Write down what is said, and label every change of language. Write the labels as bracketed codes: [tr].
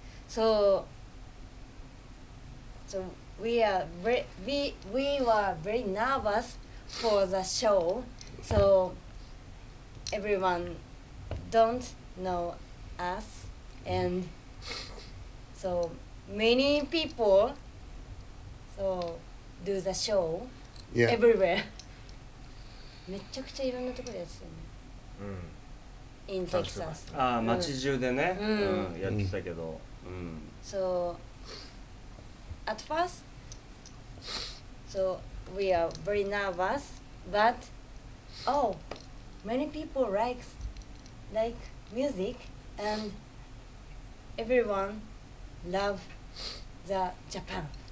[en] So we were very nervous for the show, so everyone,don't know us, and so many people so do the show、 yeah. everywhere. [ja] めちゃくちゃいろんなところでやってたね。 [en] In Texas. [ja] ああ、町中でね、やってたけど。 [en] So, at first, So we are very nervous, but oh, many people like music, and everyone love the Japan.